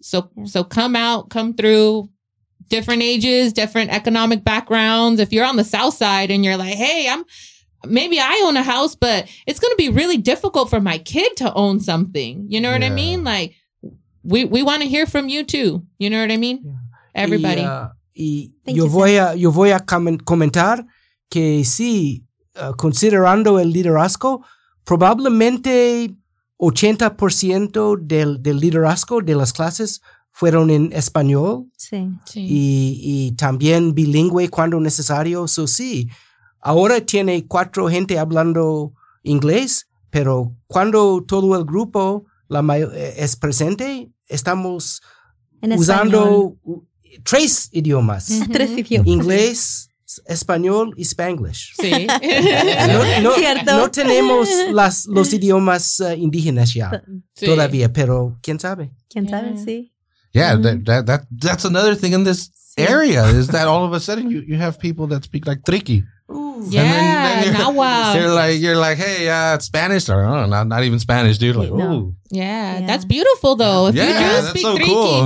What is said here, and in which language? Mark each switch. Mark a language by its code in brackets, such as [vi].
[en] So come out, come through. Different ages, different economic backgrounds. If you're on the south side and you're like, hey, maybe I own a house, but it's going to be really difficult for my kid to own something. You know what I mean? Like, we want to hear from you too. You know what I mean? Yeah. Everybody. [es] Yo voy a comentar que sí, considerando el liderazgo, probablemente 80% del liderazgo de las clases fueron en español. Sí. Y también bilingüe cuando necesario. So sí, ahora tiene 4 gente hablando inglés, pero cuando todo el grupo es presente, estamos usando 3 idiomas. Mm-hmm. 3 idiomas. Inglés, español y Spanglish. Sí. No, cierto. No tenemos los idiomas indígenas ya todavía, pero quién sabe. Quién sabe, sí. [en] Yeah, that's another thing in this area is that all of a sudden you have people that speak like Triqui. Ooh. Yeah, and then you're like, hey, Spanish, or not even Spanish, dude. Like, yeah, that's beautiful though. If you do speak so Triqui, cool.